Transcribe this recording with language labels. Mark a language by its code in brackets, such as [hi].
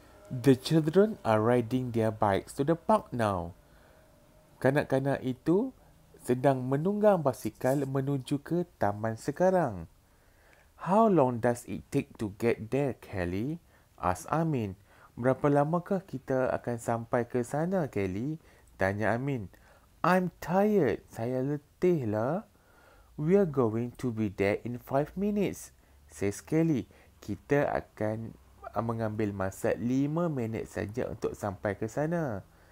[en] The children are riding their bikes to the park now. [ms] Kanak-kanak itu sedang menunggang basikal menuju ke taman sekarang. [en] How long does it take to get there, Kelly? Asked Amin. [ms] Berapa lamakah kita akan sampai ke sana, Kelly? Tanya Amin. [en] I'm tired. [ms] Saya letih lah. [en] We're going to be there in 5 minutes, says Kelly. [ms] Kita akan mengambil masa 5 minit saja untuk sampai ke sana.